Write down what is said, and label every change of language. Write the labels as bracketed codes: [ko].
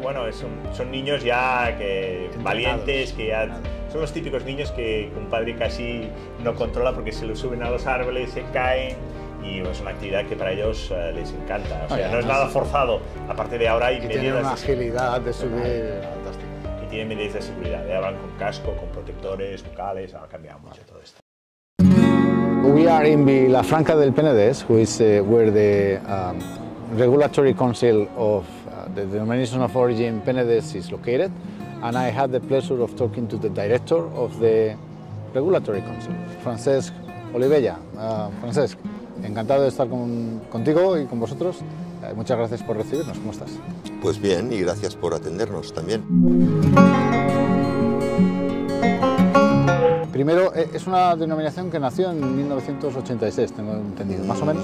[es] Bueno, son niños ya que valientes, que ya son los típicos niños que un padre casi no controla porque se los suben a los árboles, se caen, y es una actividad que para ellos les encanta. O sea, no es nada forzado. Aparte de ahora, y tienen una agilidad de subir fantástica. Y tienen medidas de seguridad, ya van con casco, con protectores, bucales, ha cambiado mucho todo esto. [en] We are in Vilafranca del Penedès, who is where the regulatory council of the denomination of origin Penedès is located, and I had the pleasure of talking to the director of the regulatory council, Francesc Olivella. [es] Francesc, encantado de estar contigo y con vosotros. Muchas gracias por recibirnos. ¿Cómo estás? Pues bien, y gracias por atendernos también. Primero, es una denominación que nació en 1986, tengo entendido, más o menos.